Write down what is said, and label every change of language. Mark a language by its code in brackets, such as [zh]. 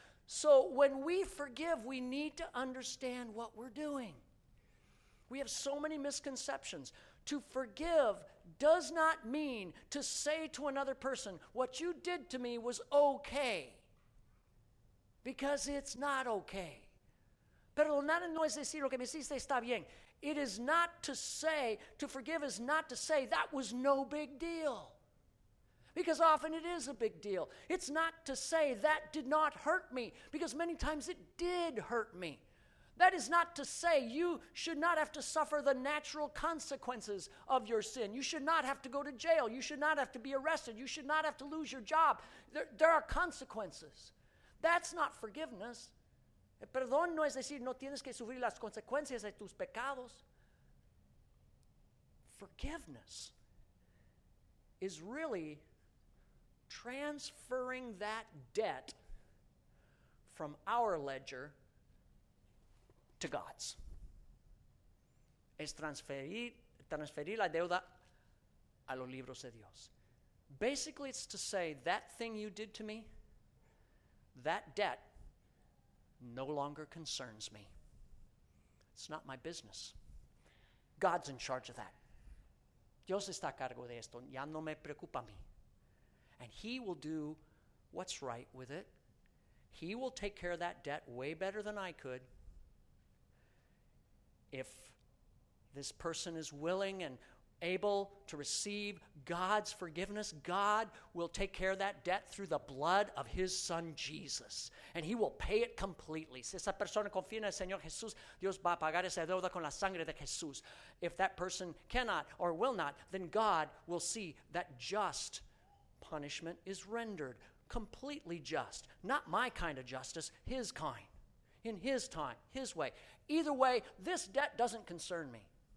[en] So when we forgive, we need to understand what we're doing. We have so many misconceptions. To forgive does not mean to say to another person, what you did to me was okay. Because it's not okay. [es] Perdonar no es decir lo que me hiciste está bien. [en] It is not to say, to forgive is not to say that was no big deal. Because often it is a big deal. It's not to say that did not hurt me, because many times it did hurt me. That is not to say you should not have to suffer the natural consequences of your sin. You should not have to go to jail. You should not have to be arrested. You should not have to lose your job. There are consequences. That's not forgiveness. [es] El perdón no es decir no tienes que sufrir las consecuencias de tus pecados. [en] Forgiveness is really transferring that debt from our ledger to God's. [es] Es transferir la deuda a los libros de Dios. [en] Basically, it's to say that thing you did to me, that debt, no longer concerns me. It's not my business. God's in charge of that. [es] Dios está a cargo de esto. Ya no me preocupa a mí. [en] And He will do what's right with it. He will take care of that debt way better than I could. If this person is willing and able to receive God's forgiveness, God will take care of that debt through the blood of His Son Jesus. And He will pay it completely. [es] Si esa persona confía en el Señor Jesús, Dios va a pagar esa deuda con la sangre de Jesús. [en] If that person cannot or will not, then God will see that just punishment is rendered. Completely just. Not my kind of justice, His kind. In His time, His way. Either way, this debt doesn't concern me.